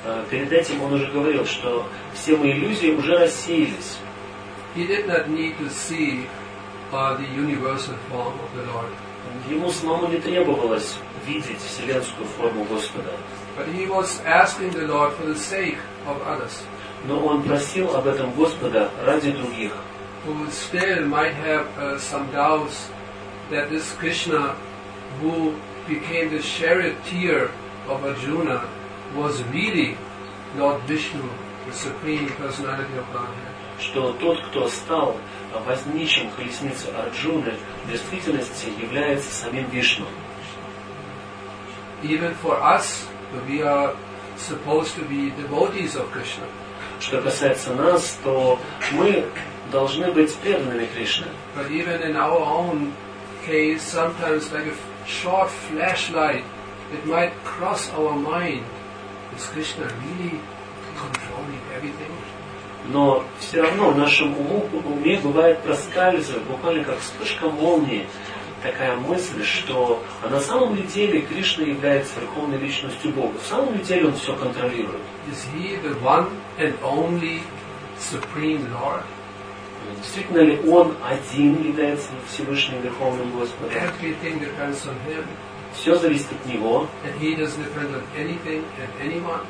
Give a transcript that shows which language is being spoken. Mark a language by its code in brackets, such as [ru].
[ru] Перед этим он уже говорил, что все мои иллюзии уже рассеялись. [en] He did not need to see the universal form of the Lord. [ru] Ему самому не требовалось видеть вселенскую форму Господа. [en] But he was asking the Lord for the sake of others. [ru] Но он просил об этом Господа ради других. [en] Who still might have some doubts that this Krishna, who became the charioteer of Arjuna, was really Lord Vishnu, the supreme personality of Godhead. [ru] Что тот, кто стал возничим колесницы Арджуны, в действительности является самим Вишну. [en] Even for us, we are supposed to be devotees of Krishna. [ru] Что касается нас, то мы должны быть преданными Кришне. [en] But even in our own case, sometimes like a short flashlight, it might cross our mind: is Krishna really controlling everything? [ru] Но все равно в нашем уме бывает проскальзывает, буквально как вспышка молнии, такая мысль, что на самом деле Кришна является Верховной Личностью Бога. В самом деле Он все контролирует. [en] Is He the one and only Supreme Lord? [ru] Действительно ли Он один является Всевышним Верховным Господом? [en] Everything depends on Him. [ru] Все зависит от Него. [en] And He doesn't depend on anything and anyone.